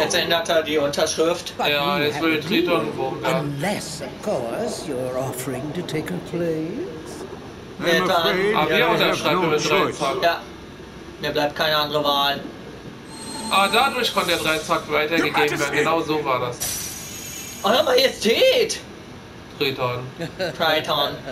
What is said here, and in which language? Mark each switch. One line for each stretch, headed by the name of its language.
German: Jetzt ändert er die Unterschrift. But ja, jetzt will Triton wohnen.
English: Unless, of course, you're offering to take her place.
German: Wir unterschreiben mit Dreizack. Ja, mir bleibt keine andere Wahl. Ah, dadurch konnte der Dreizack weitergegeben werden. Genau so war das. Eure Majestät! Triton. Triton.